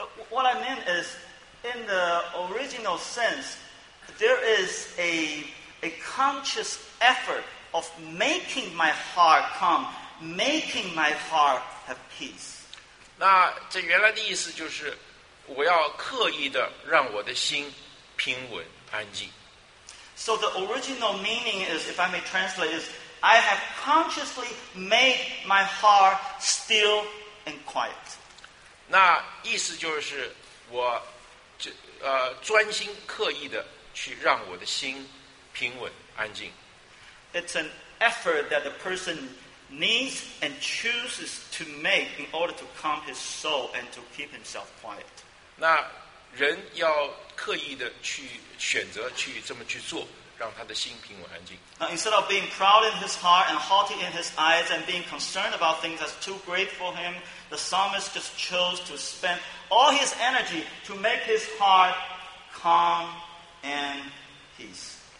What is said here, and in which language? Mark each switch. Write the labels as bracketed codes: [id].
[en] What I mean is, in the original sense, there is a conscious effort of making my heart calm, making my heart have peace. [zh] 那这原来的意思就是，我要刻意的让我的心平稳安静。 [en] So the original meaning is, if I may translate, is I have consciously made my heart still and quiet. [zh] 那意思就是我专心刻意的去让我的心平稳安静。 [en] It's an effort that the person needs and chooses to make in order to calm his soul and to keep himself quiet. [zh] 那人要刻意的去选择去这么去做，让他的心平稳安静。 [en] Now, instead of being proud in his heart and haughty in his eyes and being concerned about things that's too great for him, the psalmist just chose to spend all his energy to make his heart calm and peace.